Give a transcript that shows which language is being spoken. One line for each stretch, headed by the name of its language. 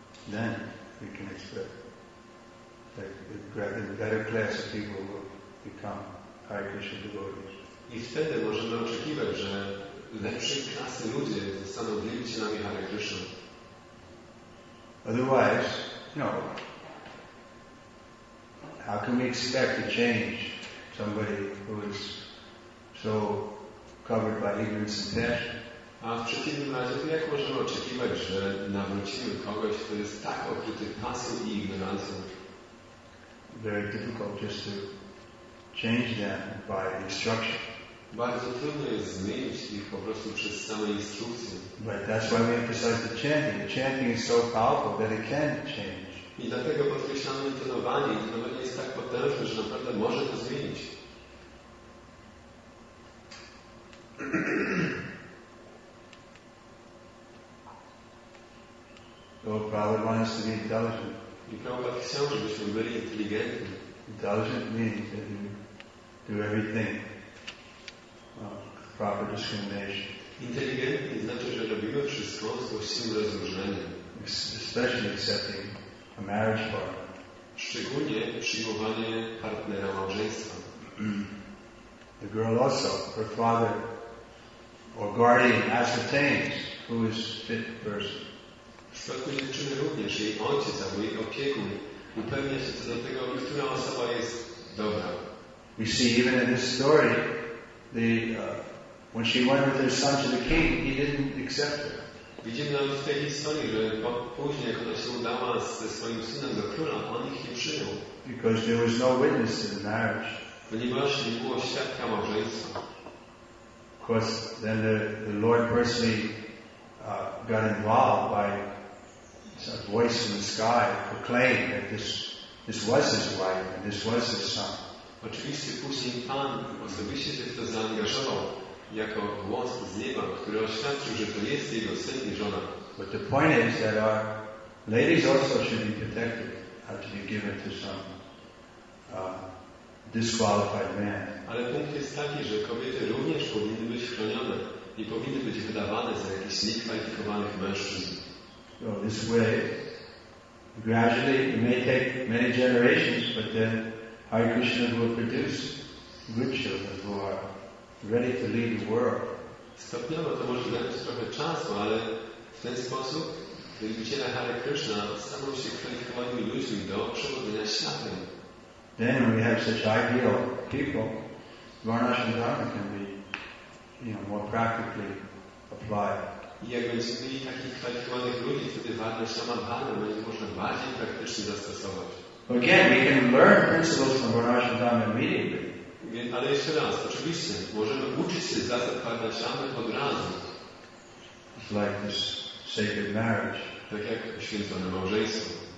English: Then we can expect that the better class of people will become Hare Krishna devotees.
Polish: I wtedy możemy oczekiwać, że lepszej klasy ludzie zostaną wielbicielami Hare Krishna.
English: Otherwise, no. How can we expect to change somebody who is so covered by ignorance and passion?
Polish: A w przeciwnym razie, to jak możemy oczekiwać, że nawrócimy kogoś, kto jest tak okryty pasją i ignorancją?
English: Very difficult just to change them by instruction.
Polish: Bardzo trudno jest zmienić ich po prostu przez same instrukcje.
English: But that's why we emphasize the chanting. The chanting is so powerful that it can change.
Polish: I dlatego podkreślamy intonowanie. Intonowanie jest tak potężne, że naprawdę może to zmienić.
English: So Prabhupada wants to be intelligent.
Polish: I Prabhupada chciał, żebyśmy byli inteligentni.
English: Intelligent means that you do everything. Proper discrimination.
Polish: Inteligentnie znaczy, że robimy wszystko z właściwym rozróżnieniem.
English: Especially accepting a marriage partner.
Polish: Szczególnie przyjmowanie partnera małżeństwa.
English: The girl also, her father or guardian ascertains who is fit person.
Polish: W przypadku dziewczyny również jej ojciec albo jej opiekun upewnia się co do tego, która osoba jest dobra.
English: We see even in this story when she went with her son to the king, he didn't accept her.
Polish: Widzimy nawet w tej historii, że później, jak ona się udała ze swoim synem do króla, on ich nie przyjął.
English: Because there was no witness to the marriage.
Polish: Ponieważ nie było świadka małżeństwa.
English: Of course, then the Lord personally got involved by a voice in the sky proclaimed that this was his wife and this was his son.
Polish: Oczywiście później Pan osobiście się w to zaangażował jako głos z nieba, który oświadczył, że to jest jego syn i żona.
English: But the point is that our ladies also should be protected after you give it to some disqualified man.
Polish: Ale punkt jest taki, że kobiety również powinny być chronione nie powinny być wydawane za jakichś niekwalifikowanych mężczyzn.
English: So this way, gradually it may take many generations, but then Hare Krishna will produce good children who are ready to lead the world.
Polish: Stopniowo to może zająć trochę czasu, ale w ten sposób wielbiciele Hare Krishna staną się kwalifikowanymi ludźmi do przewodzenia światem.
English: Then we have such ideal people, Varnashrama can be, more practically applied.
Polish: I jak będziemy mieli takich kwalifikowanych ludzi, wtedy Varnashrama Bhana będzie można bardziej praktycznie zastosować.
English: Again, we can learn principles from Varnashrama immediately.
Polish: Ale jeszcze raz, oczywiście, możemy uczyć się zasad Varnashrama od razu.
English: It's like this sacred marriage.
Polish: Tak jak święcone małżeństwo.